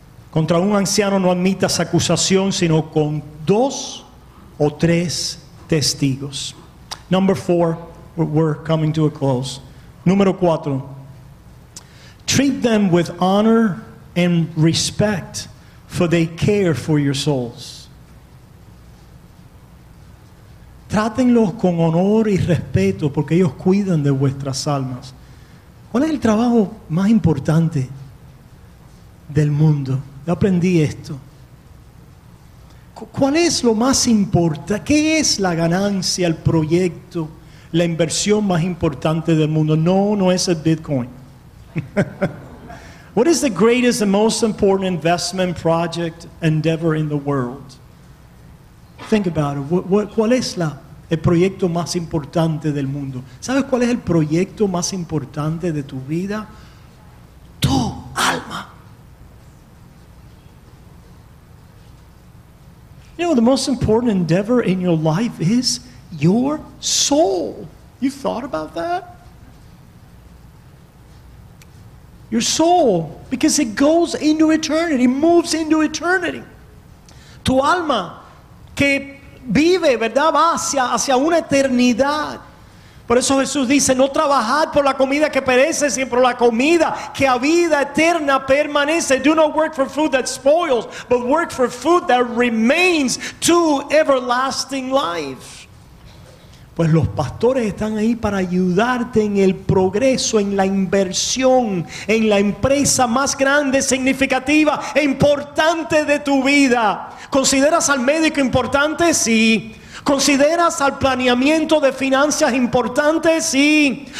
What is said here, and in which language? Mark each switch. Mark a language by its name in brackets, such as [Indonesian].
[Spanish] Contra un anciano no admitas acusación, sino con 2 o 3 testigos. [English] Number 4, we're coming to a close. [Spanish] Número 4. [English] Treat them with honor and respect, for they care for your souls. [Spanish] Trátenlos con honor y respeto, porque ellos cuidan de vuestras almas. ¿Cuál es el trabajo más importante del mundo? Yo aprendí esto. ¿Cuál es lo más importante? ¿Qué es la ganancia, el proyecto, la inversión más importante del mundo? No, no es el Bitcoin. [English] What is the greatest and most important investment project endeavor in the world? Think about it. [Spanish] ¿Cuál es el proyecto más importante del mundo? ¿Sabes cuál es el proyecto más importante de tu vida? Tu alma. [English] You know, the most important endeavor in your life is your soul. You thought about that? Your soul, because it goes into eternity, moves into eternity. [Spanish] tu alma que vive, ¿verdad? Va hacia una eternidad. Por eso Jesús dice, no trabajar por la comida que perece, sino por la comida que a vida eterna permanece. [English] Do not work for food that spoils, but work for food that remains to everlasting life. [Spanish] Pues los pastores están ahí para ayudarte en el progreso, en la inversión, en la empresa más grande, significativa e importante de tu vida. ¿Consideras al médico importante? Sí. ¿Consideras al planeamiento de finanzas importante? Sí.